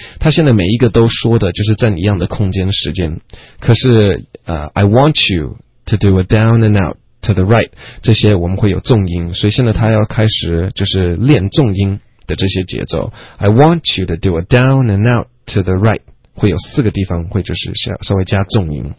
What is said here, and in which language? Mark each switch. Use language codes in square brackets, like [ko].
[zh] 他现在每一个都说的就是在你一样的空间时间。可是 [en] I want you to do a down and out to the right. [zh] 这些我们会有重音，所以现在他要开始就是练重音的这些节奏。 [en] I want you to do a down and out to the right. [zh] 会有四个地方会就是稍微加重音